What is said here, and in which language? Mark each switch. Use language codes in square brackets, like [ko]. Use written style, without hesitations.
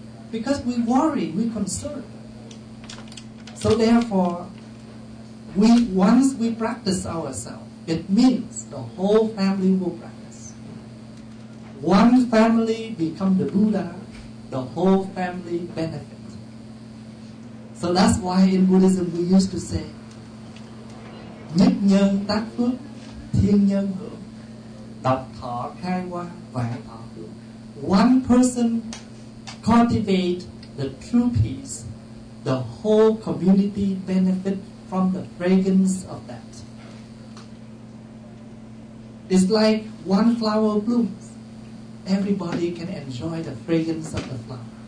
[en] Because we worry, we concern. So therefore, once we practice ourselves, it means the whole family will practice. One family become the Buddha, the whole family benefits. So that's why in Buddhism we used to say, [vi] Nhất nhân tác phước, thiên nhân hưởng. Đập thọ khai qua, vạn thọ hưởng. [en] One person cultivate the true peace, the whole community benefit from the fragrance of that. It's like one flower blooms. Everybody can enjoy the fragrance of the flower.